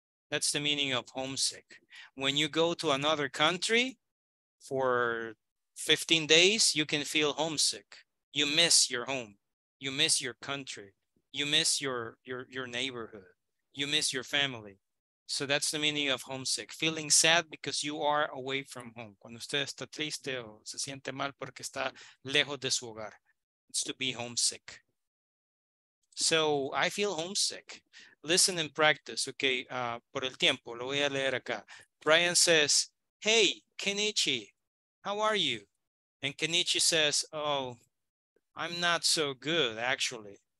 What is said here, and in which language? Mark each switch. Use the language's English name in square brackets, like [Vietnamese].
[English] That's the meaning of homesick. When you go to another country for 15 days, you can feel homesick. You miss your home. You miss your country. You miss your neighborhood. You miss your family. So that's the meaning of homesick. Feeling sad because you are away from home. [Spanish] Cuando usted está triste o se siente mal porque está lejos de su hogar. [English] It's to be homesick. So I feel homesick. Listen and practice, okay? [Spanish] Por el tiempo, lo voy a leer acá. [English] Brian says, hey, Kenichi, how are you? And Kenichi says, oh, I'm not so good, actually.